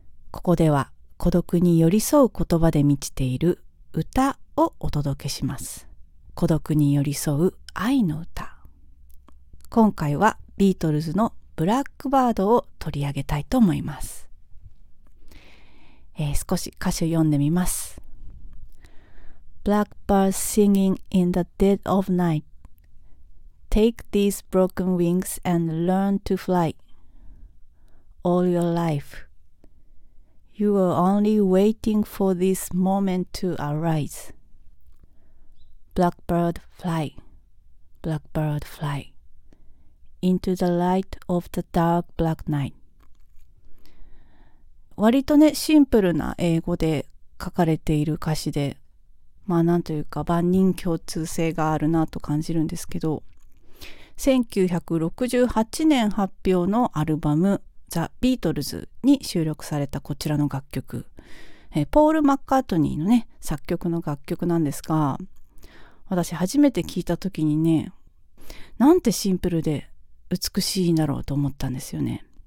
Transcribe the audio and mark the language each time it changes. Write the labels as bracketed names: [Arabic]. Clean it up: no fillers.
[Japanese] ここでは孤独に寄り添う言葉で満ちている歌をお届けします。孤独に寄り添う愛の歌。今回はビートルズのブラックバードを取り上げたいと思います。少し歌詞を読んでみます。 [English] Blackbird singing in the dead of night. Take these broken wings and learn to fly. All your life. You are only waiting for this moment to arise. Blackbird fly. Blackbird fly. Into the light of the dark black night. [Japanese] 割とねシンプルな英語で書かれている歌詞で、まあなんというか万人共通性があるなと感じるんですけど、1968年発表のアルバムザ・ビートルズに収録されたこちらの楽曲、ポール・マッカートニーのね作曲の楽曲なんですが、私初めて聞いた時にね、なんてシンプルで美しいんだろうと思ったんですよね。